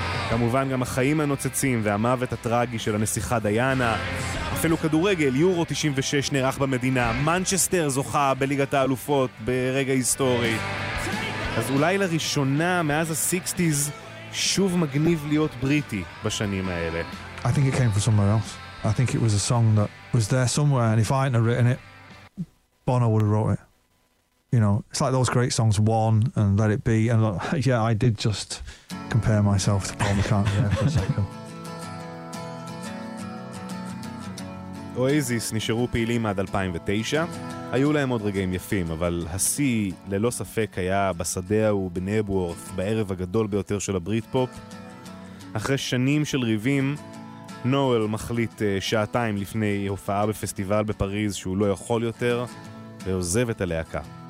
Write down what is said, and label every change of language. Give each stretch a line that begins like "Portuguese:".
Hebrew: כמובן גם החיים הנוצצים והמוות הטרגי של הנסיכה דיאנה, אפילו כדורגל, יורו 96 נערך במדינה, מנצ'סטר זוכה בליגת האלופות ברגע היסטורי. אז אולי לראשונה מאז ה-60s שוב מגניב להיות בריטי בשנים האלה.
English: I think it came from somewhere else. I think it was a song that was there somewhere, and if I hadn't written it, Bono would have wrote it. You know, it's like those great songs, One and Let It Be. And like, yeah, I did just compare myself to Paul McCartney there for a second.
Hebrew: Oasis נשארו פעילים עד 2009. היו להם עוד רגעים יפים, אבל השיא ללא ספק היה בשדה ההוא בנבוורף, בערב הגדול ביותר של הבריט פופ. אחרי שנים של ריבים, נואל מחליט שעתיים לפני הופעה בפסטיבל בפריז שהוא לא יכול יותר ועוזב את הלהקה.